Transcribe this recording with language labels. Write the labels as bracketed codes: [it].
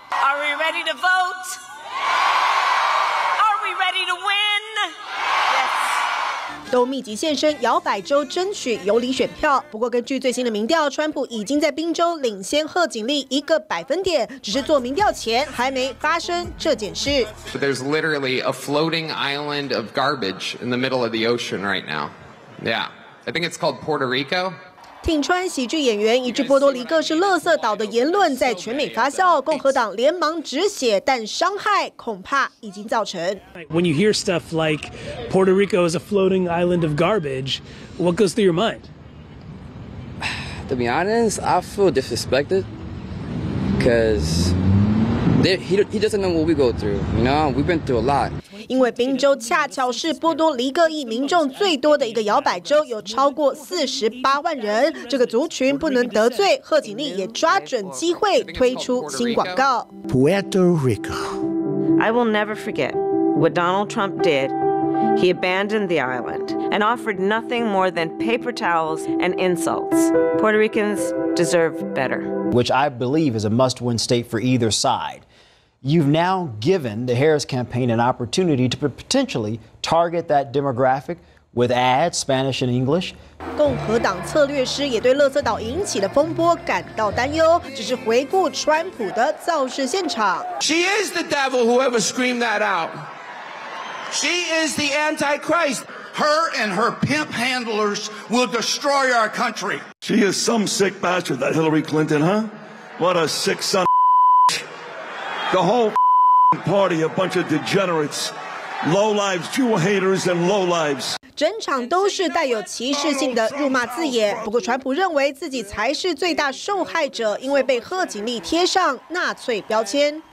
[en] ，Are we ready to vote? Are we ready to win? Yes. [zh] 都密集现身摇摆州争取有利选票。不过，根据最新的民调，川普已经在宾州领先贺锦丽1个百分点，只是做民调前还没发生这件事。 [en] But there's literally a floating island of garbage in the middle of the ocean right now. Yeah, I think it's called Puerto Rico. [zh] 挺川喜剧演员一句波多黎各是垃圾岛的言论在全美发酵，共和党连忙止血，但伤害恐怕已经造成。 [en] When you hear stuff like Puerto Rico is a floating island of garbage, what goes through your mind? To be honest, I feel disrespected because. He doesn't know what we go through. You know, we've been through a lot. [zh] 因为宾州恰巧是波多黎各裔民众最多的一个摇摆州，有超过48万人。这个族群不能得罪，贺锦丽也抓准机会推出新广告。 [en] Puerto Rico. I will never forget what Donald Trump did. He abandoned the island and offered nothing more than paper towels and insults. Puerto Ricans deserve better. Which I believe is a must-win state for either side. You've now given the Harris campaign an opportunity to potentially target that demographic with ads, Spanish and English. [zh] 共和党策略师也对垃圾岛引起的风波感到担忧，只是回顾川普的造势现场。 [en] She is the devil, whoever screamed that out. She is the Antichrist. Her and her pimp handlers will destroy our country. She is some sick bastard, that Hillary Clinton, huh? What a sick son of The whole party, a bunch of degenerates, lowlives, Jew haters and lowlives. [zh] 整场都是带有歧视性的辱骂字眼。不过川普认为自己才是最大受害者，因为被贺锦丽贴上纳粹标签。